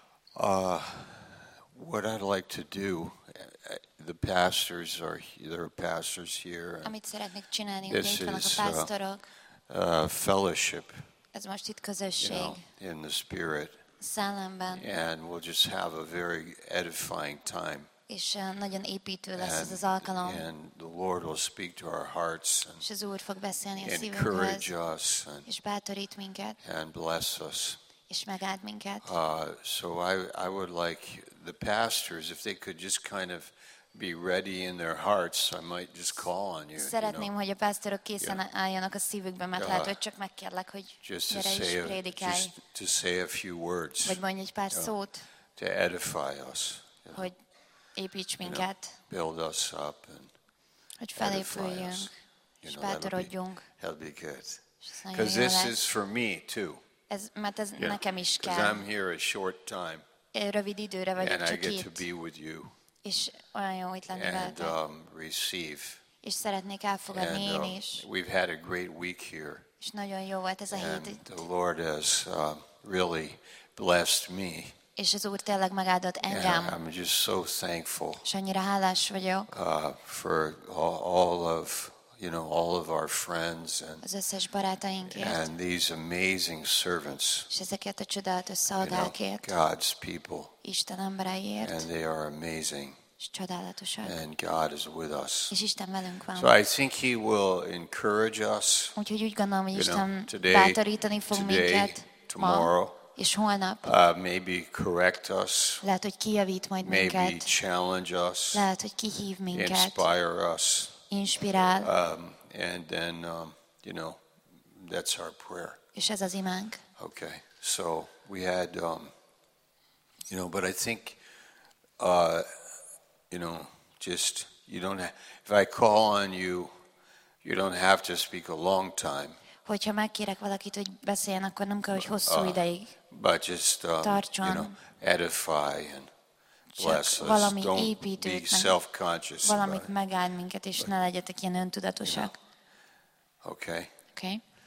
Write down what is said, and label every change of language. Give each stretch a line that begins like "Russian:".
English: What I'd like to do, the pastors are here, there are pastors here.
Hungarian: Amit szeretnék csinálni, hogy itt vannak a pásztorok.
English: Fellowship.
Hungarian: Ez most itt közösség.
English: You know, in the spirit.
Hungarian: Szellemben.
English: And we'll just have a very edifying time.
Hungarian: És nagyon építő lesz ez az alkalom.
English: And the Lord will speak to our hearts and
Hungarian: és az Úr fog beszélni a szívünkhöz. És bátorít minket.
English: And bless us.
Hungarian: És megáld minket.
English: So I would like the pastors, if they could just kind of be ready in their hearts, I might just call on you.
Hungarian: Szeretném,
English: you know?
Hungarian: Hogy a pásztorok készen yeah. álljanak a szívükbe, mert lehet, hogy csak megkérlek, hogy gyere is prédikálj.
English: Just to say a few words.
Hungarian: Vagy mondj egy pár szót.
English: To edify us.
Hungarian: You hogy építs minket.
English: You know, build us up and
Hungarian: hogy felépüljünk, és bátorodjunk.
English: That'll be good. Because this is for me too.
Hungarian: Ez, mert ez yeah. nekem is kell.
English: Because I'm here a short time.
Hungarian: Rövid időre vagyok
English: and
Hungarian: csak
English: I get
Hungarian: itt.
English: To be with you.
Hungarian: És olyan jó itt lenni
English: and, receive.
Hungarian: És szeretnék elfogadni
English: and,
Hungarian: én is.
English: We've had a great week here.
Hungarian: És nagyon jó volt ez a hét itt.
English: The Lord has really blessed me.
Hungarian: És az Úr tényleg megáldott engem.
English: I'm just so thankful.
Hungarian: És annyira hálás vagyok.
English: For all of, you know, all of our friends and
Hungarian: az összes barátainkért.
English: And these amazing servants.
Hungarian: És ezeket a csodálatos szolgákért.
English: God's people.
Hungarian: Isten embereiért.
English: And they are amazing.
Hungarian: És csodálatosak.
English: And God is with us.
Hungarian: És Isten velünk van.
English: So I think he will encourage us.
Hungarian: Úgyhogy úgy gondolom, hogy Isten bátorítani fog minket ma. És holnap
English: maybe correct us,
Hungarian: lehet, hogy kijavít majd
English: maybe
Hungarian: minket,
English: challenge us,
Hungarian: lehet, hogy kihív minket,
English: inspire us,
Hungarian: inspirál,
English: and then you know, that's our prayer.
Hungarian: És ez az imánk.
English: Okay, so we had you know, but I think you know, just you don't have, if I call on you, you don't have to speak a long time.
Hungarian: Hogyha megkérek valakit, hogy beszéljen, akkor nem kell, hogy hosszú ideig
English: but just,
Hungarian: tartson.
English: You know, edify and bless
Hungarian: csak valami
English: us. Don't
Hungarian: építőt,
English: be self-conscious
Hungarian: valamit megáld minket, és but, ne legyetek ilyen öntudatosak.
English: Okay. Okay.